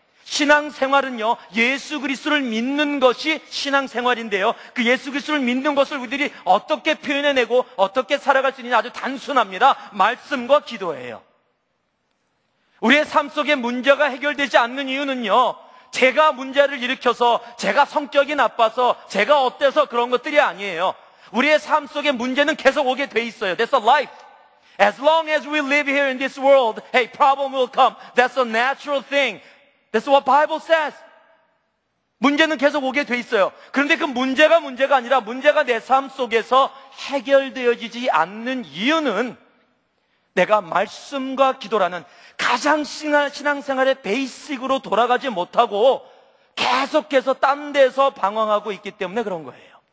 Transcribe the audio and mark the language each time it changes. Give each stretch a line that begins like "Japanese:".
Korean: 신앙생활은요, 예수 그리스도를 믿는 것이 신앙생활인데요, 그 예수 그리스도를 믿는 것을 우리들이 어떻게 표현해내고 어떻게 살아갈 수 있느냐, 아주 단순합니다. 말씀과 기도예요. 우리의 삶 속에 문제가 해결되지 않는 이유는요, 제가 문제를 일으켜서, 제가 성격이 나빠서, 제가 어때서 그런 것들이 아니에요. 우리의 삶 속에 문제는 계속 오게 돼 있어요.
English: That's a life. As long as we live here in this world, hey, problem will come. That's a natural thing. That's what Bible says.
Korean: 문제는 계속 오게 돼 있어요. 그런데 그 문제가 문제가 아니라 문제가 내 삶 속에서 해결되어지지 않는 이유는 내가 말씀과 기도라는 가장 신앙생활의 베이직으로 돌아가지 못하고 계속해서 딴 데서 방황하고 있기 때문에 그런 거예요.